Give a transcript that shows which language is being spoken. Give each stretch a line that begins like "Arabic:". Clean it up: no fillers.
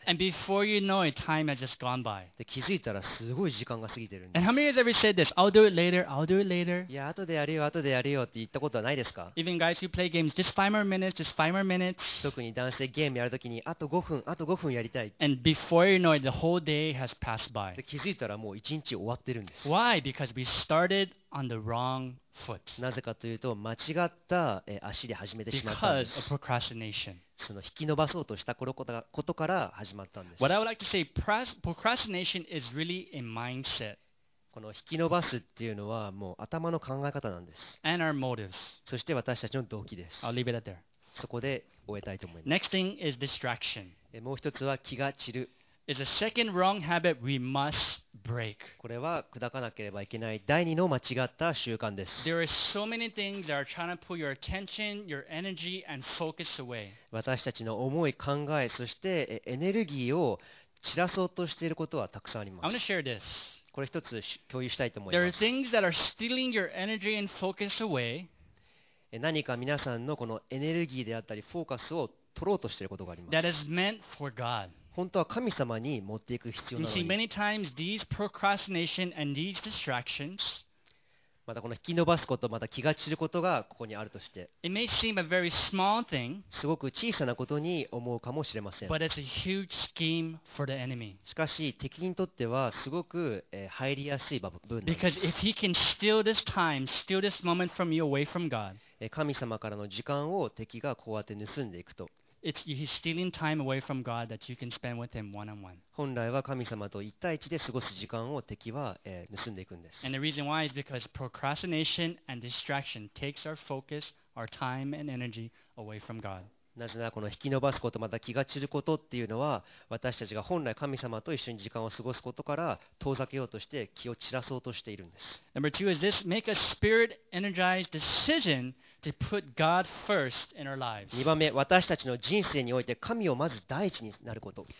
English: and before you know it, time has just gone by.
Japanese: で気づいたらすごい時間が過ぎてるんです。
English: And how many guys ever said this? I'll do it later. I'll do it later.
Japanese: いや後でやるよ後でやるよって言ったことはないですか？
English: Even guys who play games, just five more minutes, just five more minutes.
Japanese: 特に男性ゲームやるときにあと5分あと5分やりたい。
English: And before you know it, the whole day has passed by.
Japanese: で気づいたらもう一日終わってるんです。
English: Why? Because we started on the wrong foot.
Japanese: なぜかというと間違った足で始めてしまったんです。
English: Because of procrastination.
Japanese: その引き延ばそうとしたことから始まったんです。
English: What I would like to say, procrastination is really a mindset.
Japanese: この引き延ばすっていうのはもう頭の考え方なんです。
English: And our motives.
Japanese: そして私たちの動機です。
English: I'll leave it at there.
Japanese: そこで終えたいと思います。
English: Next thing is distraction.
Japanese: もう一つは気が散る。
English: It's a second wrong habit we must break.
Japanese: これは砕かなければいけない第二の間違った習慣です。
English: There are so many things that are trying to pull your attention, your energy, and focus away.
Japanese: 私たちの思い、考え、そしてエネルギーを散らそうとしていることはたくさんあります。
English: I'm going to share this.
Japanese: これ一つ共有したいと思います。
English: There are things that are stealing your energy and focus away.
Japanese: 何か皆さんのこのエネルギーであったり、フォーカスを取ろうとしていることがあります。
English: That is meant for God.
Japanese: 本当は神様に持っていく必要なのに。
English: You see, many times these procrastination and these distractions,
Japanese: またこの引き延ばすこと、また気が散ることがここにあるとして、
English: it may seem a very small thing,
Japanese: すごく小さなことに思うかもしれません。
English: But it's a huge scheme for the enemy.
Japanese: しかし敵にとってはすごく入りやすい部分なんです。
English: Because if he can steal this time, steal this moment from you away from God,
Japanese: 神様からの時間を敵がこうやって盗んでいくと。
English: He's stealing time away from God that you can spend with him one-on-one.
Japanese: 本来は神様と一対一で過ごす時間を敵は盗んでいくんです。
English: And the reason why is because procrastination and distraction takes our focus, our time and energy away from God.
Japanese: なぜならこの引き延ばすことまた気が散ることっていうのは私たちが本来神様と一緒に時間を過ごすことから遠ざけようとして気を散らそうとしているんです。
English: Number two is this: make a spirit-energized decision. To put God first in our lives.
Japanese: 2番目、私たちの人生において神をまず第一になること。